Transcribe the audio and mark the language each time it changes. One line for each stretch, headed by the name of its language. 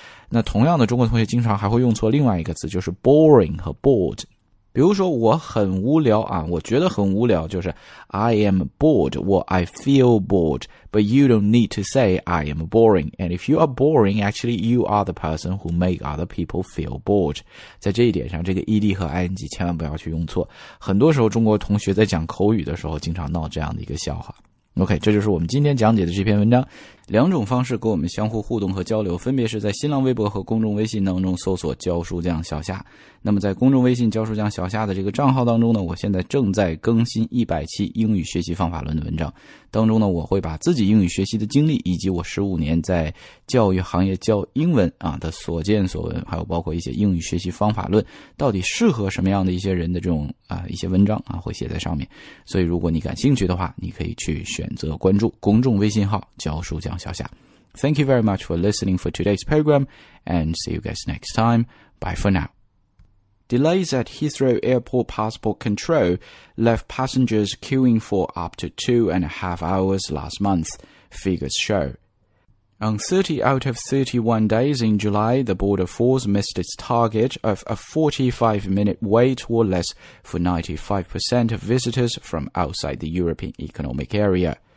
Chinese: 那同样的，中国同学经常还会用错另外一个词，就是 boring 和 bored。比如说我很无聊啊，我觉得很无聊，就是
English: I am bored or I feel bored, but you don't need to say I am boring. And if you are boring, actually you are the person who make other people feel bored.
Chinese: 在这一点上，这个 ed 和 ing 千万不要去用错。很多时候中国同学在讲口语的时候经常闹这样的一个笑话。 OK, 这就是我们今天讲解的这篇文章。两种方式跟我们相互互动和交流，分别是在新浪微博和公众微信当中搜索教书匠小夏。那么在公众微信教书匠小夏的这个账号当中呢，我现在正在更新100期英语学习方法论的文章。当中呢，我会把自己英语学习的经历，以及我15年在教育行业教英文啊的所见所闻，还有包括一些英语学习方法论，到底适合什么样的一些人的这种啊一些文章啊，会写在上面。所以如果你感兴趣的话，你可以去选择关注公众微信号教书匠小夏。
English: Thank you very much for listening for today's program, and see you guys next time. Bye for now. Delays at Heathrow Airport passport control left passengers queuing for up to 2.5 hours last month, figures show. On 30 out of 31 days in July, the Border Force missed its target of a 45-minute wait or less for 95% of visitors from outside the European Economic Area.